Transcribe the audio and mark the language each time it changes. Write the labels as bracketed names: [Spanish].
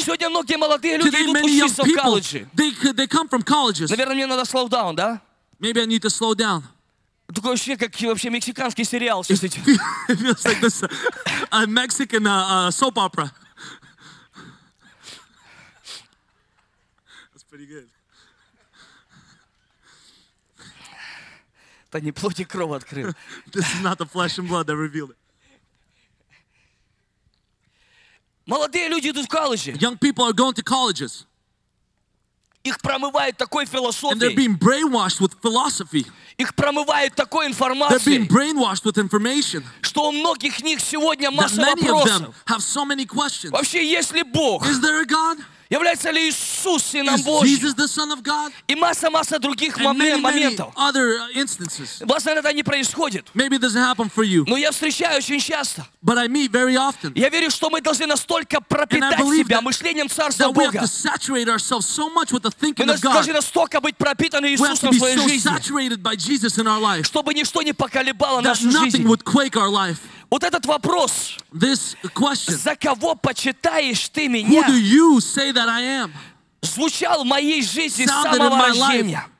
[Russian] Сегодня многие молодые люди идут учиться в колледже. [English] They come from colleges. [Russian] Наверное, мне надо [English] slow down, [Russian] да? [English] Maybe I need to slow down. [Russian] Такое ощущение, как вообще мексиканский сериал. [English] It feels like this, a Mexican soap opera. That's pretty good. [Russian] Это не плоть и кровь открыл. [English] This is not the flesh and blood that revealed it. [Russian] Молодые люди идут в колледжи. [English] Young people are going to colleges. [Russian] Их промывает такой философией. [English] And they're being brainwashed with philosophy. [Russian] Их промывает такой информацией. [English] They're being brainwashed with information. [Russian] Что у многих них сегодня масса вопросов. [English] That many of them have so many questions. [Russian] Вообще, есть ли Бог? [English] Is there a God? [Russian] Является ли Иисус Сыном [English] is [Russian] Божьим? [English] Jesus the Son of God? [Russian] И масса-масса других моментов. [English] Other instances. [Russian] Вас иногда не происходит. [English] Maybe it doesn't happen for you. [Russian] Но я встречаю очень часто. [English] But I meet very often. [Russian] Я верю, что мы должны настолько пропитать себя мышлением Царства Бога. [English] That we have to saturate ourselves so much with the thinking of God. [Russian] Мы должны настолько быть пропитаны Иисусом в своей жизни. [English] So saturated by Jesus in our life. [Russian] Чтобы ничто не поколебало нашу жизнь. [English] That nothing would quake our life. [Russian] Вот этот вопрос. [English] This question. [Russian] За кого почитаешь ты меня? [English] Who do you say that I am? [Russian] Звучал в моей жизни с самого рождения.